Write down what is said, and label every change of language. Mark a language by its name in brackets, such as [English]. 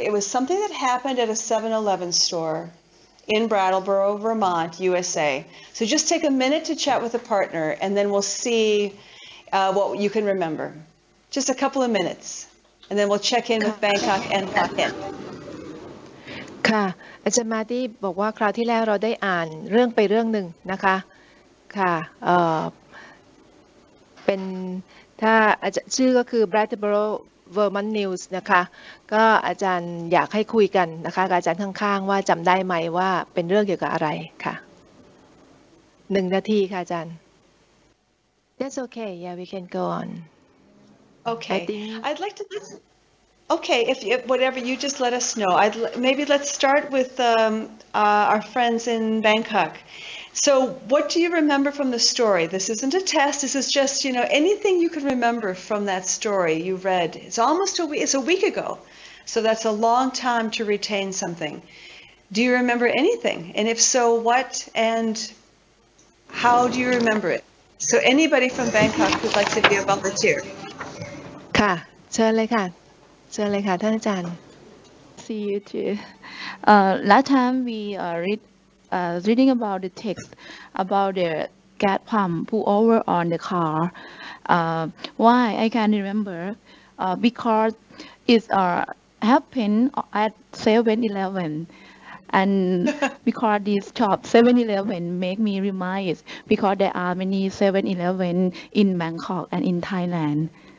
[English] It was something that happened at a 7-Eleven store. In Brattleboro, Vermont, USA. So just take a minute to chat with a partner and then we'll see what you can remember. Just a couple of minutes. And then we'll check in with Bangkok and Phuket. [Thai] ค่ะ อาจารย์มาตี้บอกว่าคราวที่แล้วเราได้อ่านเรื่องไปเรื่องหนึ่งนะคะค่ะเป็นถ้าอาจารย์ชื่อก็คือ Brattleboro Vermont News นะคะก็อาจารย์อยากให้คุยกันนะคะอาจารย์ข้างๆว่าจำได้ไหมว่าเป็นเรื่องเกี่ยวกับอะไรค่ะ1นาทีค่ะอาจารย์ [English] That's okay. Yeah, we can go on. Okay. I'd like to Okay, if whatever you just let us know. Maybe let's start with our friends in Bangkok. So, what do you remember from the story? This isn't a test. This is just, you know, anything you can remember from that story you read. It's almost a week. It's a week ago. So that's a long time to retain something. Do you remember anything? And if so, what and how do you remember it? So anybody from Bangkok who'd like to be a volunteer? [Thai] ค่ะ เชิญเลยค่ะ เชิญเลยค่ะ ท่านอาจารย์ [English] See you too. Last time we readreading about the text about the gas pump pull over on the car. Why I can remember? Because it happened at 7-Eleven, and because this shop 7-Eleven make me remind because there are many 7-Eleven in Bangkok and in Thailand.